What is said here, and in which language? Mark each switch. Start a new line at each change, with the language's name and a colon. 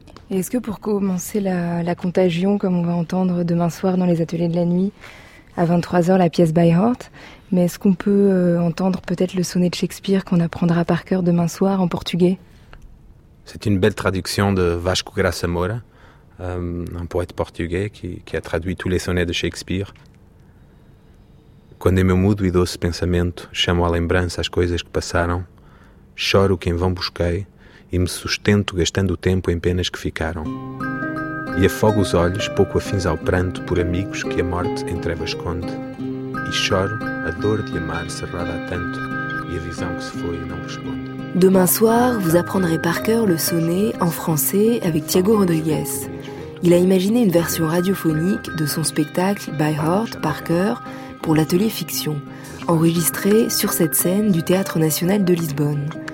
French: Et est-ce que pour commencer la contagion, comme on va entendre demain soir dans les ateliers de la nuit, à 23h, la pièce By Heart, mais est-ce qu'on peut entendre peut-être le sonnet de Shakespeare qu'on apprendra par cœur demain soir en portugais ? C'est une belle traduction de Vasco Graça Moura, un poète portugais qui a traduit tous les sonnets de Shakespeare.
Portuguese: Quando me mudo e doce pensamento, chamo à lembrança as coisas que passaram, choro quem vão busquei, e me sustento gastando o tempo em penas que ficaram. E afogo os olhos, pouco afins ao pranto, por amigos que a morte em trevas esconde. E choro a dor de amar cerrada há tanto, e a visão que se foi e não responde.
French: Demain soir, vous apprendrez par cœur le sonnet en français avec Tiago Rodrigues. Il a imaginé une version radiophonique de son spectacle By Heart, par cœur, pour l'atelier fiction, enregistré sur cette scène du Théâtre National de Lisbonne.